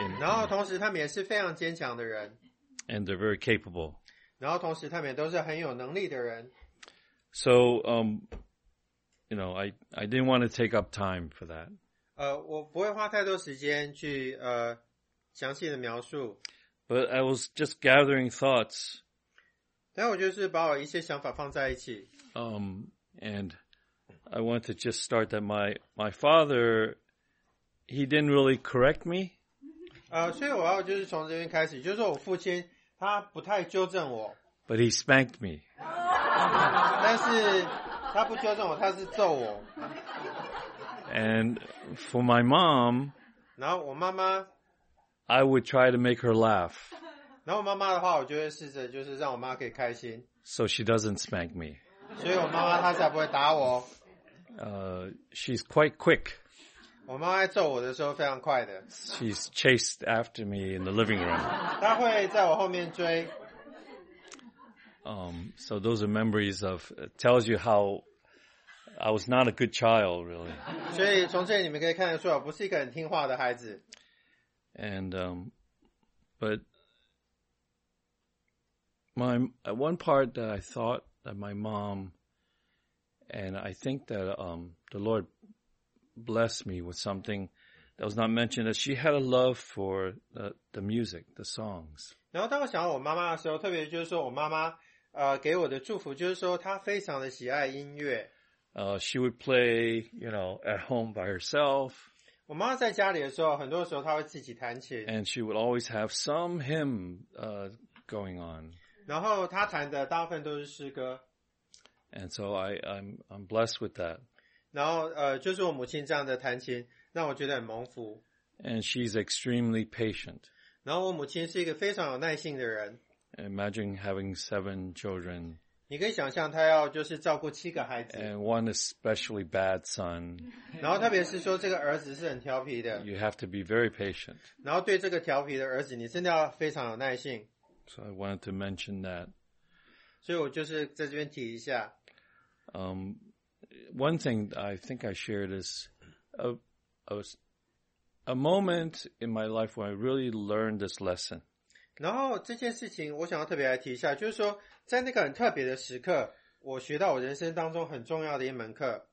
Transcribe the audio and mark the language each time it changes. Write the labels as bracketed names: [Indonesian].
[Chinese] 然后同时他们也是非常坚强的人。 [English] And they're very capable. [Chinese] 然后同时他们也都是很有能力的人。 [English] So, you know, I didn't want to take up time for that. [Chinese] 我不会花太多时间去详细的描述。 [English] But I was just gathering thoughts. [Chinese] 但我就是把我一些想法放在一起。 [English] And I want to just start that my father, he didn't really correct me. [Chinese] 所以我要就是从这边开始，就是我父亲他不太纠正我。 [English] But he spanked me. [Chinese] 但是他不纠正我，他是揍我。 [English] And for my mom, [Chinese] 然后我妈妈 [English] I would try to make her laugh. [Chinese] 然后我妈妈的话，我就会试着就是让我妈可以开心。 [English] So she doesn't spank me. [Chinese] 所以我妈妈她才不会打我。 [English] She's quite quick. [Chinese] 我妈妈在揍我的时候非常快的。 [English] She's chased after me in the living room. [Chinese] 她会在我后面追。 [English] So those are memories of, tells you how I was not a good child, really. [Chinese] 所以从这里你们可以看得出我不是一个很听话的孩子。 [English] And, but, my, one part that I thought,my mom, and I think that the Lord blessed me with something that was not mentioned, that she had a love for the music, the songs. [Chinese] 然后当我想到我妈妈的时候，特别就是说我妈妈给我的祝福，就是说她非常的喜爱音乐。 [English] She would play, you know, at home by herself. [Chinese] 我妈妈在家里的时候，很多时候她会自己弹琴。 [English] And she would always have some hymn going on. [Chinese] 然后他弹的大部分都是诗歌。 [English] And so I'm blessed with that. [Chinese] 然后就是我母亲这样的弹琴让我觉得很蒙福。 [English] And she's extremely patient. [Chinese] 然后我母亲是一个非常有耐心的人。 [English] Imagine having 7 children. [Chinese] 你可以想象他要就是照顾七个孩子。 [English] And one especially bad son. [Chinese] 然后特别是说这个儿子是很调皮的。 [English] You have to be very patient. [Chinese] 然后对这个调皮的儿子你真的要非常有耐心。 [English] So I wanted to mention that. [Chinese] 所以我就是在这边提一下。 [English] One thing I think I shared is a moment in my life where I really learned this lesson. [Chinese] 然后这件事情我想要特别来提一下，就是说在那个很特别的时刻，我学到我人生当中很重要的一门课。